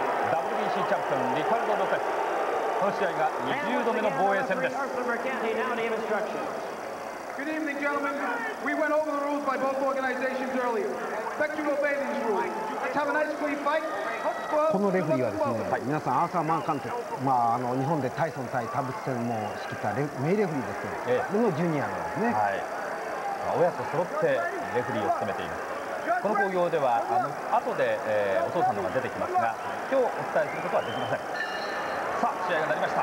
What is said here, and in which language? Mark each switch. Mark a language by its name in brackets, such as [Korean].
[Japanese] WBC チャンピオン、リカルド・ロペス。この試合が20度目の防衛戦です。 [English] Good evening, gentlemen. We went over the rules by both organizations earlier. Expect you to obey these rules. Let's have a nice, clean fight. [Japanese] このレフリーはですね、はい、皆さんアーサー・マン監督、まあ、日本でタイソン対田淵戦も仕切った名レフリーですけど、このジュニアなんですね。はい、まあ、親子揃ってレフリーを務めています。この興行では後で、お父さんのが出てきますが、今日お伝えすることはできません。さあ、試合がなりました。